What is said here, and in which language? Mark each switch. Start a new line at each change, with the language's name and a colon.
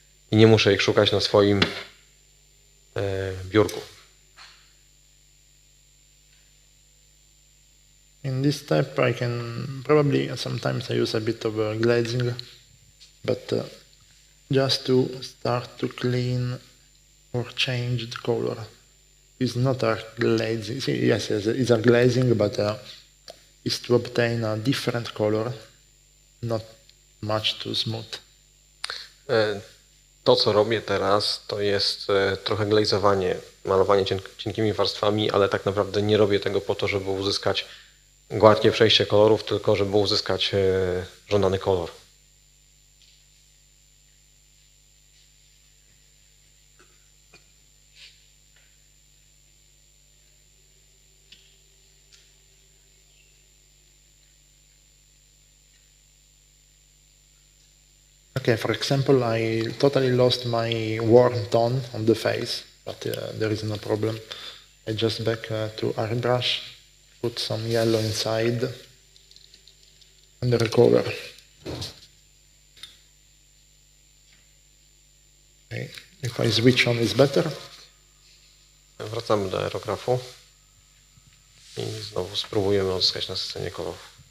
Polish: I nie muszę ich szukać na swoim biurku.
English: In this step, I can probably sometimes I use a bit of glazing, but just to start to clean or change the color. It's not a glazing. See, yes, it's a glazing, but it's to obtain a different color, not much too smooth.
Polish: To, co robię teraz, to jest trochę glazowanie, malowanie cienkimi warstwami, ale tak naprawdę nie robię tego po to, żeby uzyskać gładkie przejście kolorów, tylko żeby uzyskać żądany kolor.
English: Okay, for example, I totally lost my warm tone on the face, but there is no problem. I just back to airbrush. Put some yellow inside and recover. Okay. If I switch on, it's better.
Polish: Wracamy do aerografu i znowu spróbujemy odzyskać na scenie kolorów.